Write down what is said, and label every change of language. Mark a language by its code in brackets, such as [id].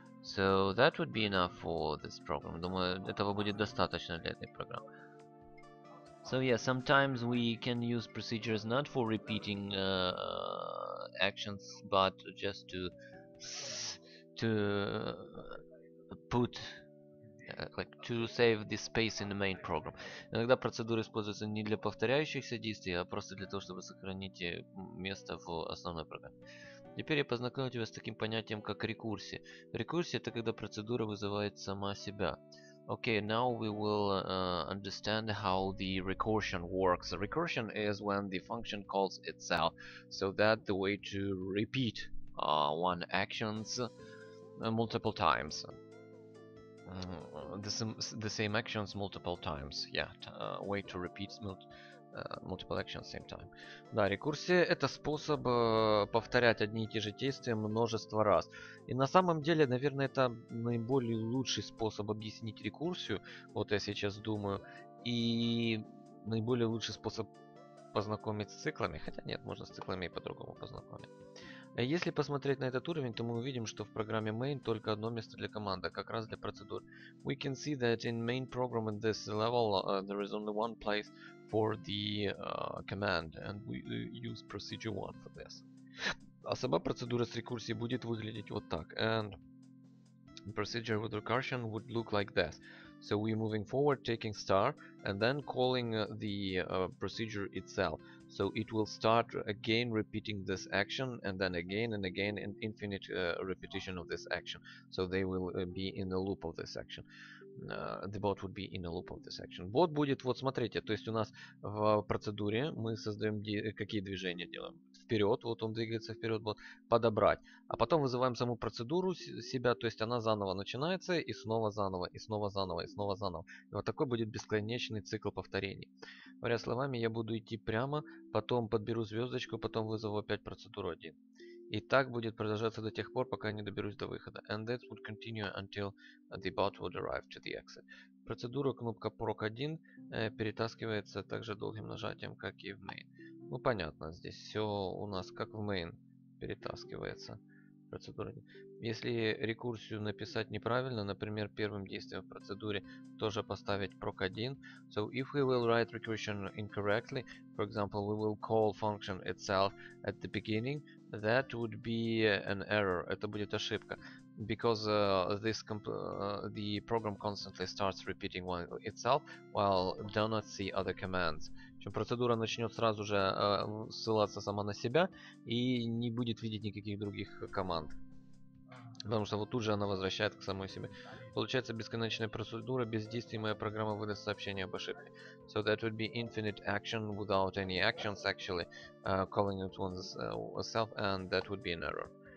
[en] So that would be enough for this program. [ru] Думаю, этого будет достаточно для этой программы. [en] So yeah, sometimes we can use procedures not for repeating actions, but just to put like to save the space in the main program. [ru] Иногда процедуры используются не для повторяющихся действий, а просто для того, чтобы сохранить место в основной программе. Теперь я познакомлю тебя с таким понятием, как рекурсия. Рекурсия – это когда процедура вызывает сама себя. [en] Okay, now we will understand how the recursion works. Recursion is when the function calls itself. So that the way to repeat one actions multiple times. The same actions multiple times. Yeah, way to repeat multiple actions same time. [ru] Да, рекурсия — это способ повторять одни и те же действия множество раз. И на самом деле, наверное, это наиболее лучший способ объяснить рекурсию, вот я сейчас думаю, и наиболее лучший способ познакомить с циклами, хотя нет, можно с циклами и по-другому познакомить. Если посмотреть на этот уровень, то мы увидим, что в программе main только одно место для команды, как раз для процедур. [en] We can see that in main program in this level there is only one place for the command, and we use procedure 1 for this. [ru] А сама процедура с рекурсией будет выглядеть вот так. [en] And procedure with recursion would look like this. So we're moving forward, taking star, and then calling the procedure itself. So it will start again repeating this action, and then again and again an infinite repetition of this action. So they will be in a loop of this action. The bot would be in a loop of this action. [ru] Bot будет, вот смотрите, то есть у нас в процедуре мы создаем, какие движения делаем? Вперед, вот он двигается вперед, бот, подобрать. А потом вызываем саму процедуру себя, то есть она заново начинается, и снова заново, и снова заново, и снова заново. И вот такой будет бесконечный цикл повторений. Говоря словами, я буду идти прямо, потом подберу звездочку, потом вызову опять процедуру 1. И так будет продолжаться до тех пор, пока я не доберусь до выхода. [en] And that would continue until the bot would arrive to the exit. [ru] Процедура кнопка PROC 1 перетаскивается так же долгим нажатием, как и в main. Ну понятно, здесь все у нас как в main перетаскивается. Процедура. Если рекурсию написать неправильно, например, первым действием в процедуре тоже поставить PROC 1. [en] So if we will write recursion incorrectly, for example, we will call function itself at the beginning, that would be an error. [ru] Это будет ошибка. [en] Because the program constantly starts repeating one itself while do not see other commands. [ru] Процедура начнет сразу же ссылаться сама на себя и не будет видеть никаких других команд. Потому что вот тут же она возвращает к самой себе. Получается бесконечная процедура, без действий моя программа выдаст сообщение об ошибке. [en] So that would be infinite action without any actions actually calling it oneself, and that would be an error.